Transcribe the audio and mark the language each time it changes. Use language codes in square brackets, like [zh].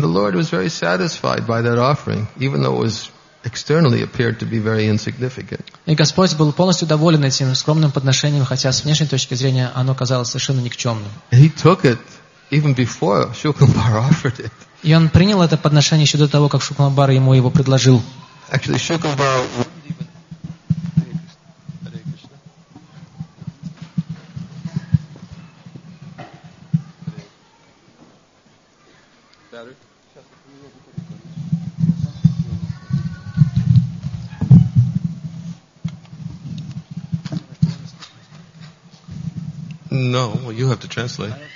[en] And the Lord was very satisfied by that offering, even though it was externally appeared to be very insignificant. [ru] И Господь был полностью доволен этим скромным подношением, хотя с внешней точки зрения оно казалось совершенно никчемным. [en] He took it even before Shuklambara offered it. [ru] И он принял это подношение еще до того, как Шукламбара ему его предложил. [en] Actually, Shuklambara No, well, you have to translate.